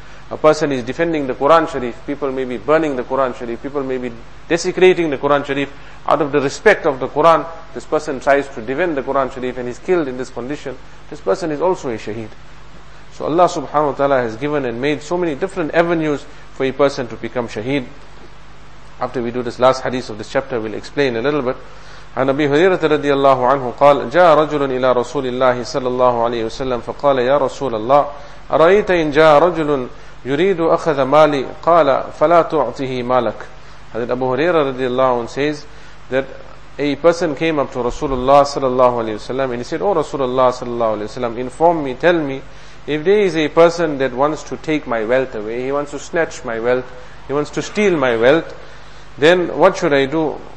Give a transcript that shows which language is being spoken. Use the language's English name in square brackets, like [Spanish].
[English] A person is defending the Quran Sharif, people may be burning the Quran Sharif, people may be desecrating the Quran Sharif out of the respect of the Quran, this person tries to defend the Quran Sharif and is killed in this condition, this person is also a shaheed. So Allah subhanahu wa ta'ala has given and made so many different avenues for a person to become shaheed. After we do this last hadith of this chapter, we'll explain a little bit. [Arabic] عن أبي هريرة رضي الله عنه قال جاء رجل إلى رسول الله صلى الله عليه وسلم فقال يا رسول الله أرأيت إن جاء رجل يريد أخذ مالي قال فلا تعطيه مالك. [English] هذا أبو هريرة رضي الله عنه says that a person came up to رسول الله صلى الله عليه وسلم and he said, oh رسول الله صلى الله عليه وسلم, inform me, tell me, if there is a person that wants to take my wealth away, he wants to snatch my wealth, he wants to steal my wealth, then what should I do?